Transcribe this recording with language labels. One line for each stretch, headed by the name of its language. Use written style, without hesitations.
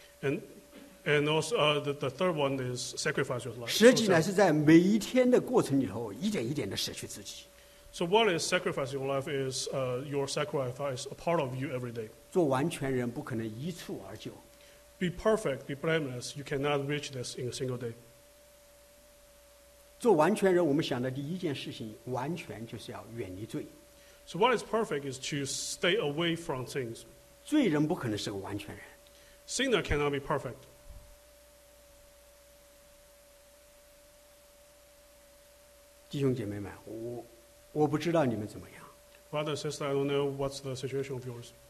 English: And also the third one is sacrifice your life.
Chinese: 舍己呢是在每一天的过程里头一点一点的舍去自己。
English: So what is sacrificing your life is your sacrifice a part of you every day.
Chinese: 做完全人不可能一蹴而就。
English: Be perfect, be blameless. You cannot reach this in a single day.
Chinese: 做完全人，我们想的第一件事情，完全就是要远离罪。
English: So what is perfect is to stay away from things.
Chinese: 罪人不可能是个完全人。
English: Sinner cannot be perfect.
Chinese: 弟兄姐妹们，我不知道你们怎么样。
English: Brother, sister, I don't know what's the situation of yours.